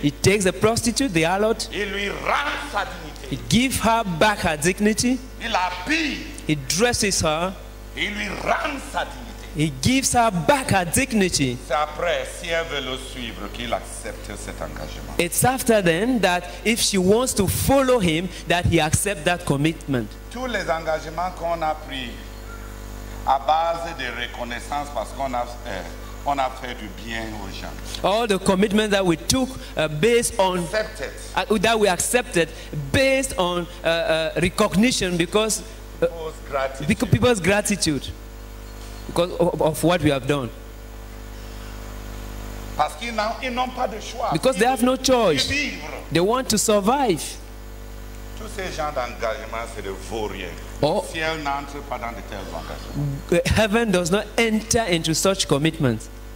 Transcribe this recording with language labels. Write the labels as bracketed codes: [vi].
[en] He takes the prostitute, the harlot. [fr] Il lui rend sa dignité. [en] He give her back her dignity. [fr] Il habille. [en] He dresses her. [fr] Il lui rend sa dignité. [en] He gives her back her dignity. [fr] C'est après, si elle veut le suivre, qu'il accepte cet engagement. [en] It's after then that if she wants to follow him, that he accepts that commitment. [fr] Tous les engagements qu'on a pris à base de reconnaissance parce qu'on a on a fait du bien aux gens. [en] All the commitments that we took based on accepted. That we accepted based on recognition because people's gratitude because of what we have done. [fr] Parce qu'ils n'ont, ils n'ont pas de choix. [en] Because they have no choice. They want to survive. [fr] Tous ces gens d'engagement, c'est de vaurien. Oh. Si elle n'entre pas dans de tels engagements. [en] Heaven does not enter into such commitments.